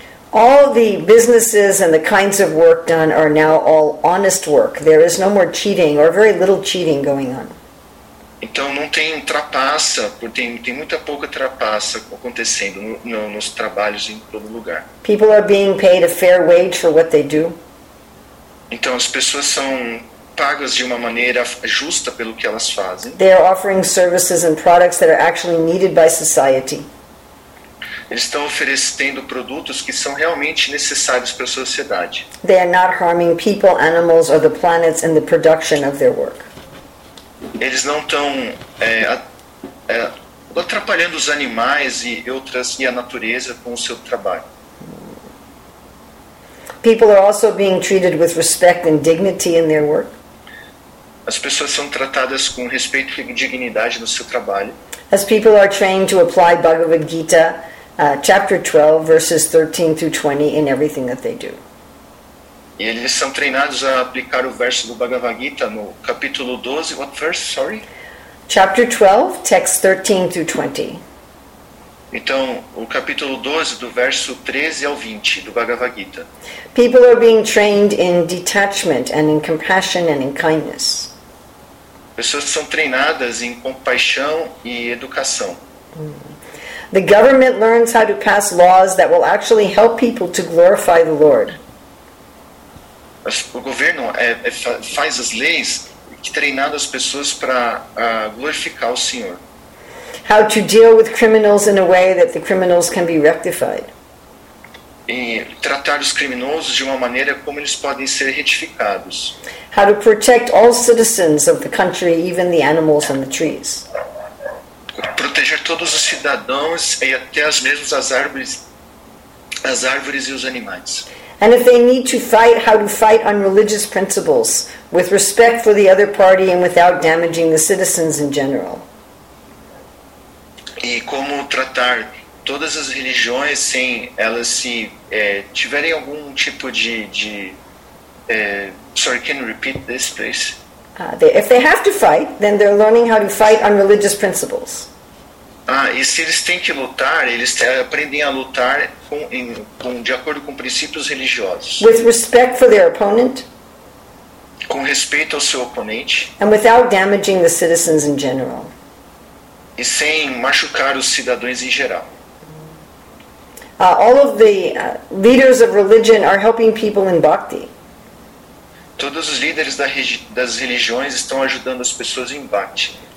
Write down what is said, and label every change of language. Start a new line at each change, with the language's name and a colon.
English: All the businesses and the kinds of work done are now all honest work. There is no more cheating or very little cheating going on.
Portuguese: Então não tem trapaça, tem muita pouca trapaça acontecendo nos trabalhos em todo lugar.
English: People are being paid a fair wage for what they do.
Portuguese: Então as pessoas são pagas de uma maneira justa pelo que elas fazem.
English: They are offering services and products that are actually needed by society.
Portuguese: Eles estão oferecendo produtos que são realmente necessários para a sociedade.
English: They are not harming people, animals or the planets in the production of their work.
Portuguese: Eles não estão atrapalhando os animais e a natureza com o seu trabalho.
English: People are also being treated with respect and dignity in their work.
Portuguese: As pessoas são tratadas com respeito e dignidade no seu trabalho.
English: As people are trained to apply Bhagavad Gita, chapter 12, verses 13 through 20 in everything that they do.
Portuguese: E eles são treinados a aplicar o verso do Bhagavad Gita no capítulo 12,
English: what verse, sorry? Chapter 12, text 13 through 20.
Portuguese: Então, o capítulo 12, do verso 13 ao 20, do Bhagavad Gita.
English: People are being trained in detachment and in compassion and in kindness.
Portuguese: Pessoas são treinadas em compaixão e educação.
English: The government learns how to pass laws that will actually help people to glorify the Lord.
Portuguese: O governo faz as leis que treinam as pessoas para glorificar o Senhor.
English: How to deal with criminals in a way that the criminals can be rectified.
Portuguese: E tratar os criminosos de uma maneira como eles podem ser retificados.
English: How to protect all citizens of the country, even the animals and the trees.
Portuguese: Proteger todos os cidadãos e até as mesmas as árvores e os animais.
English: And if they need to fight, how to fight on religious principles, with respect for the other party and without damaging the citizens in general.
Portuguese: E como tratar todas as religiões sem elas tiverem algum tipo
English: can you repeat this, please? If they have to fight, then they're learning how to fight on religious principles.
Portuguese: E se eles têm que lutar, eles aprendem a lutar de acordo com princípios religiosos.
English: With respect for their opponent.
Portuguese: Com respeito ao seu oponente.
English: And without damaging the citizens in general.
Portuguese: E sem machucar os cidadãos em geral.
English: All of the leaders of religion are helping people in bhakti.
Portuguese: Todos os líderes das religiões estão ajudando as pessoas em bhakti.